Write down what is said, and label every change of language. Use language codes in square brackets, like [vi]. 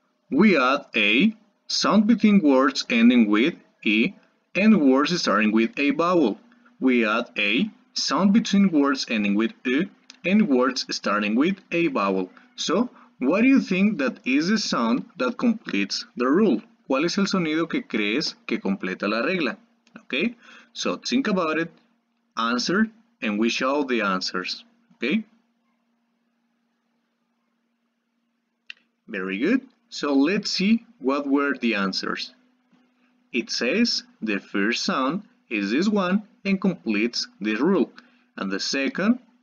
[en] We add a sound between words ending with E and words starting with a vowel. We add a sound between words ending with U and words starting with a vowel. So, what do you think that is the sound that completes the rule? [es] ¿Cuál es el sonido que crees que completa la regla? [en] Okay, so think about it, answer, and we show the answers. Okay? Very good. So, let's see what were the answers. It says the first sound is this one and completes this rule. And the second